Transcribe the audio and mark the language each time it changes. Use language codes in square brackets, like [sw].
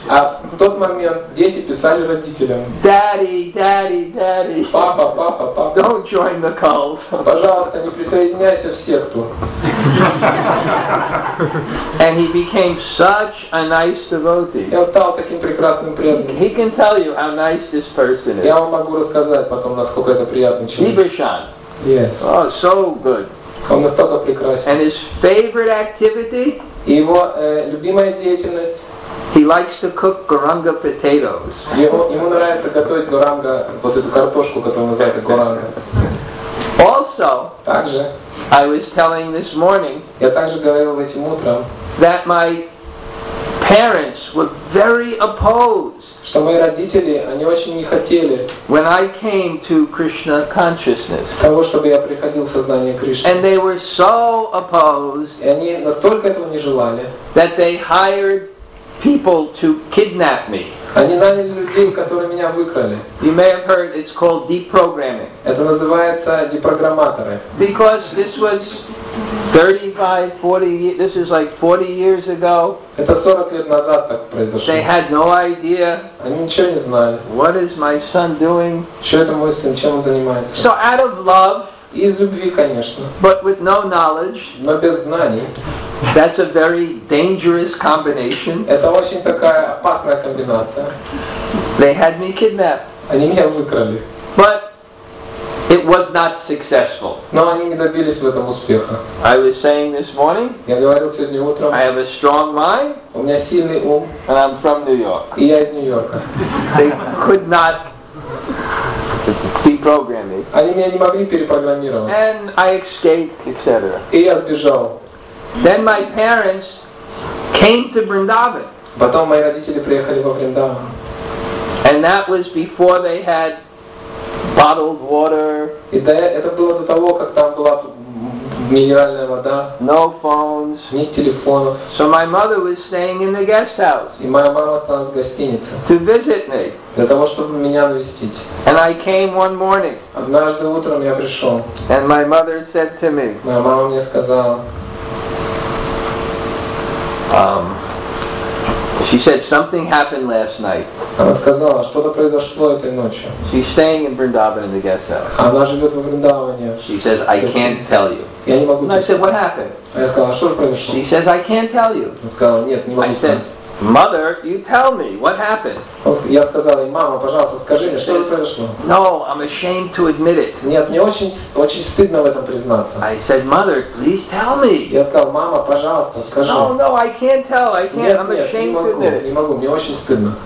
[ru] А в тот момент дети писали родителям. [en] Daddy, daddy, daddy. [ru] Папа, папа, папа. [en] Don't join the cult. [ru] Пожалуйста, не присоединяйся в секту. [en] And he became such a nice devotee. [ru] Я стал таким прекрасным преданным. [en] He can tell you how nice this person is. [ru] Я вам могу рассказать. Потом насколько это приятный человек. Дибишан. [en] Yes. Oh, so good. [ru] Он настолько прекрасен. [en] And his favorite activity? [ru] Его любимая деятельность? [en] He likes to cook гуранга potatoes. [ru] Ему нравится готовить гуранга, вот эту картошку, которую называется гуранга. [en] Also. [ru] Также. [en] I was telling this morning. [ru] Я также говорил этим утром. [en] That my parents were very opposed. [ru] Что мои родители, они очень не хотели. [en] When I came to Krishna consciousness. [ru] Того, чтобы я приходил в сознание Кришны. [en] And they were so opposed. [ru] И они настолько этого не желали. [en] That they hired people to kidnap me. [ru] Они наняли людей, которые меня выкрали. [en] You may have heard it's called deprogramming. [ru] Это называется депрограмматоры. [en] Because this was 35-40 years, this is like 40 years ago. [ru] Это 40 лет назад так произошло. [en] They had no idea. [ru] Они ничего не знали. [en] What is my son doing? [ru] Что это мой сын, чем он занимается? [en] So out of love. [ru] Из любви, конечно. [en] But with no knowledge. [ru] Но без знаний. [en] That's a very dangerous combination. [ru] Это очень такая опасная комбинация. [en] They had me kidnapped. [ru] Они меня выкрали. [en] But it was not successful. [ru] Но они не добились в этом успеха. [en] I was saying this morning. [ru] Я говорил сегодня утром. [en] I have a strong mind. [ru] У меня сильный ум. [en] And I'm from New York. [ru] И я из Нью-Йорка. [en] They could not deprogram me. [ru] Они меня не могли перепрограммировать. [en] And I escaped, etc. [ru] И я сбежал. [en] Then my parents came to Vrindavan. [ru] Потом мои родители приехали во Вриндаван. [en] And that was before they had bottled water. [ru] Это было до того, как там была минеральная вода. [en] No phones. [ru] Ни телефонов. [en] So my mother was staying in the guest house. [ru] И моя мама осталась в гостинице. [en] To visit me. [ru] Для того, чтобы меня навестить. [en] And I came one morning. [ru] Однажды утром я пришел. [en] And my mother said to me. [ru] Моя мама мне сказала. [en] She said something happened last night. [ru] Она сказала, что-то произошло этой ночью. [en] She's staying in Vrindavan in the guest house. [ru] Она живет в Вриндаване. [en] She says I can't tell you. [ru] Я не могу. [en] And I said what happened? [ru] Я сказала, что же произошло? [en] She says I can't tell you. [ru] Она сказала, нет, не могу. [en] I said, mother, you tell me what happened. [ru] Я сказал ей, мама, пожалуйста, скажи мне, что произошло. [en] No, I'm ashamed to admit it. [ru] Нет, мне очень стыдно в этом признаться. [en] I said, mother, please tell me. [ru] Я сказал, мама, пожалуйста, скажи. [en] No, I can't tell. I can't. I'm ashamed to admit it. [ru] Не могу, мне очень стыдно.